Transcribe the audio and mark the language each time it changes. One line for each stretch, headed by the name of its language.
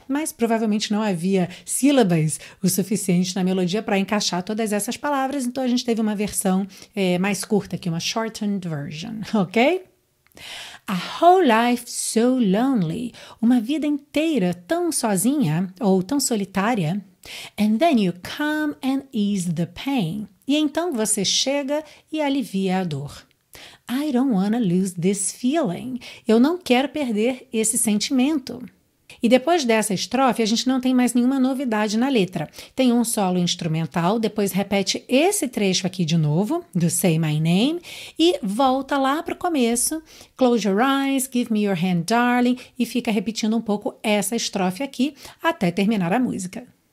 Portuguese: Mas provavelmente não havia sílabas o suficiente na melodia para encaixar todas essas palavras, então a gente teve uma versão mais curta aqui, uma
English: shortened version,
Portuguese: ok?
English: A whole life so lonely.
Portuguese: Uma vida inteira tão sozinha ou tão solitária.
English: And then you come and ease the pain.
Portuguese: E então você chega e alivia a dor.
English: I don't wanna lose this feeling.
Portuguese: Eu não quero perder esse sentimento. E depois dessa estrofe, a gente não tem mais nenhuma novidade na letra. Tem um solo instrumental, depois repete esse trecho aqui de novo, do Say My Name, e volta lá para o começo, Close Your Eyes, Give Me Your Hand, Darling, e fica repetindo um pouco essa estrofe aqui, até terminar a música.